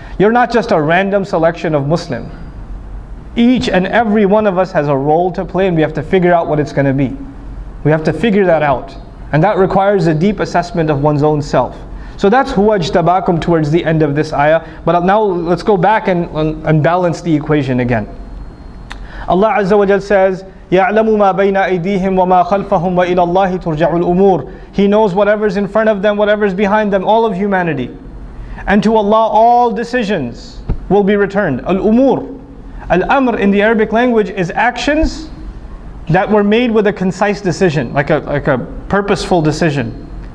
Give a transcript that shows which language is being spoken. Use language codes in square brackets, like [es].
[en] You're not just a random selection of Muslim. Each and every one of us has a role to play and we have to figure out what it's going to be. We have to figure that out. And that requires a deep assessment of one's own self. So that's huwajtabakum towards the end of this ayah. But now let's go back and balance the equation again. [ar] Allah Azza wa Jal [en] says, [ar] يَعْلَمُ مَا بَيْنَ أَيْدِيهِمْ وَمَا خَلْفَهُمْ وَإِلَى اللَّهِ تُرْجَعُ الْأُمُورِ. [en] He knows whatever's in front of them, whatever's behind them, all of humanity. And to Allah all decisions will be returned. Al-umur. Al-amr in the Arabic language is actions that were made with a concise decision, like a purposeful decision.